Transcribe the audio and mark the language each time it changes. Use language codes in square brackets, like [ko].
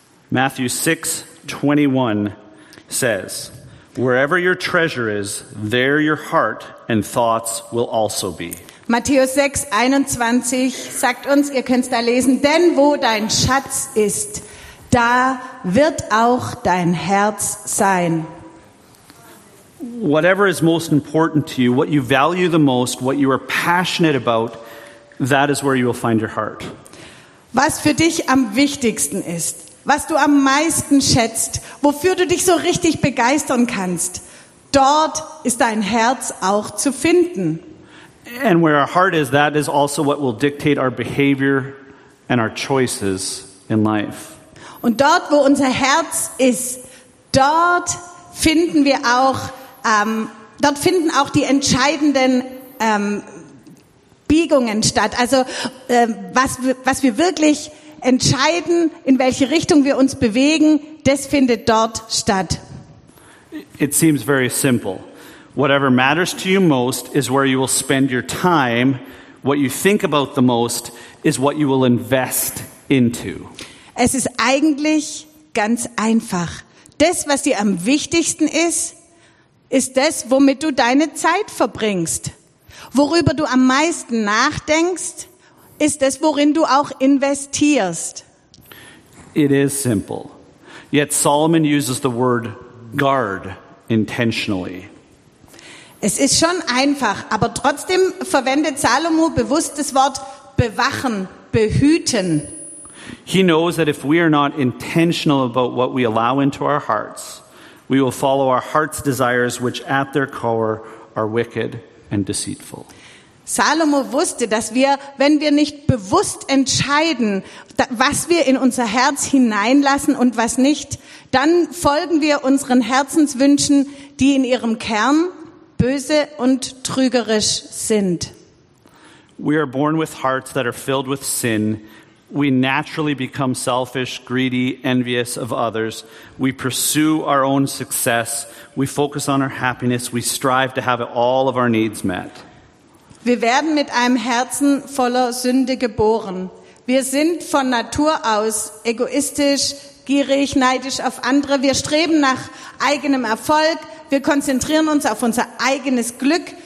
[en] Matthew 6:21 says, wherever your treasure is, there your heart and thoughts will also be. [de] Matthäus 6:21 sagt uns, ihr könnt es da lesen, denn wo dein Schatz ist, da wird auch dein Herz sein. [en] Whatever is most important to you, what you value the most, what you are passionate about, that is where you will find your heart. [de] Was für dich am wichtigsten ist, was du am meisten schätzt, wofür du dich so richtig begeistern kannst, dort ist dein Herz auch zu finden. [en] And where our heart is, that is also what will dictate our behavior and our choices in life. [de] Und dort, wo unser Herz ist, dort finden wir auch dort finden auch die entscheidenden Biegungen statt. Also was wir wirklich entscheiden, in welche Richtung wir uns bewegen, das findet dort statt. [en] It seems very simple. Whatever matters to you most is where you will spend your time. What you think about the most is what you will invest into. [de] Es ist eigentlich ganz einfach. Das, was dir am wichtigsten ist, ist das, womit du deine Zeit verbringst. Worüber du am meisten nachdenkst, ist das, worin du auch investierst. [en] It is simple. Yet Solomon uses the word guard intentionally. [de] Es ist schon einfach, aber trotzdem verwendet Salomo bewusst das Wort bewachen, behüten. [en] He knows that if we are not intentional about what we allow into our hearts, we will follow our heart's desires, which at their core are wicked and deceitful. [de] Salomo wusste, dass wir, wenn wir nicht bewusst entscheiden, was wir in unser Herz hineinlassen und was nicht, dann folgen wir unseren Herzenswünschen, die in ihrem Kern böse und trügerisch sind. [en] We are born with hearts that are filled with sin. We naturally become selfish, greedy, envious of others. We pursue our own success. We focus on our happiness. We strive to have all of our needs met. [de] Wir werden mit einem Herzen voller Sünde geboren. Wir sind von Natur aus egoistisch, gierig, neidisch auf andere. Wir streben nach eigenem Erfolg. Wir konzentrieren uns auf unser eigenes Glück.